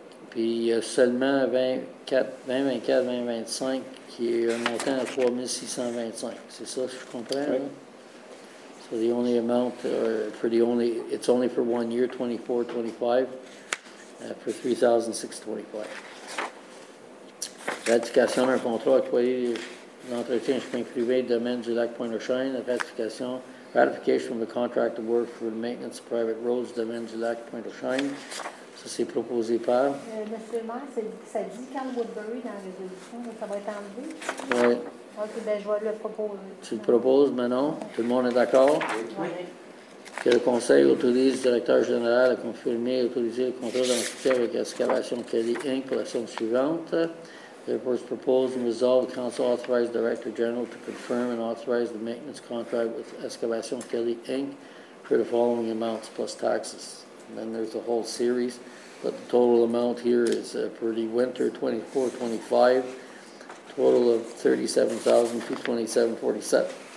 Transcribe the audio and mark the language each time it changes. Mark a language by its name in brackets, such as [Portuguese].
[French] Puis il y a seulement 20-25 qui est un montant à 3625. C'est ça, je comprends. Oui. [English] So the only amount for the only, it's only for 1 year, 24-25, for 3625. [French] Ratification d'un contrat octroyé d'entretien de chemin privé domaine du lac Pointe-aux-Chênes. [English] Ratification. Ratification of the contract of work for the maintenance of private roads, domaine du lac Pointe-aux-Chênes. [French] Ça, c'est proposé par. Monsieur le maire, ça dit Carl Woodbury dans la résolution, donc ça va être enlevé. Oui. OK, bien, je vais le proposer. Tu le proposes, Manon? Tout le monde est d'accord? Oui. Que le conseil autorise le directeur général à confirmer et autoriser le contrat d'entretien avec Excavation Kelly Inc. pour la somme suivante. [English] The report proposed and resolved the council authorized director general to confirm and authorize the maintenance contract with Excavation Kelly Inc. for the following amounts plus taxes. And then there's a whole series, but the total amount here is for the winter 24-25, total of $37,227.47.